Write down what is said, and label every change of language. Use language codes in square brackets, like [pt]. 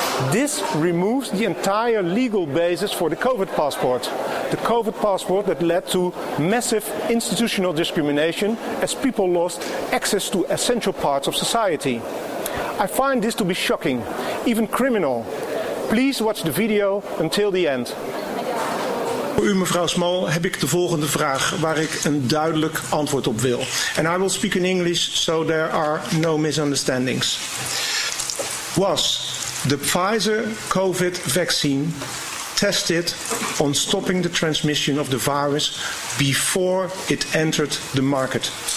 [en] This removes the entire legal basis for the COVID passport. The COVID passport that led to massive institutional discrimination as people lost access to essential parts of society. I find this to be shocking, even criminal. Please watch the video until the end. [nl] Voor u, mevrouw Small, heb ik de volgende vraag waar ik een duidelijk antwoord op wil. [en] And I will speak in English so there are no misunderstandings. Was the Pfizer COVID vaccine tested on stopping the transmission of the virus before it entered the market?